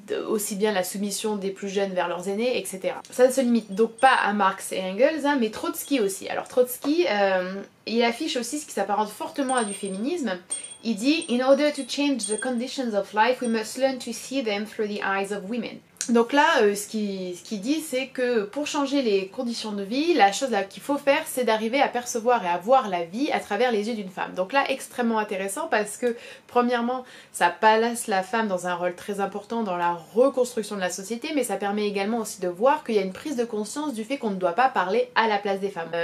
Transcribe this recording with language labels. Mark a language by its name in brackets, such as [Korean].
[French] aussi bien la soumission des plus jeunes vers leurs aînés, etc. Ça ne se limite donc pas à Marx et Engels, hein, mais Trotsky aussi. Alors Trotsky, il affiche aussi ce qui s'apparente fortement à du féminisme. Il dit [English] « In order to change the conditions of life, we must learn to see them through the eyes of women ». [French] Donc là, ce qu'il dit, c'est que pour changer les conditions de vie, la chose qu'il faut faire, c'est d'arriver à percevoir et à voir la vie à travers les yeux d'une femme. Donc là, extrêmement intéressant parce que, premièrement, ça place la femme dans un rôle très important dans la reconstruction de la société, mais ça permet également aussi de voir qu'il y a une prise de conscience du fait qu'on ne doit pas parler à la place des femmes.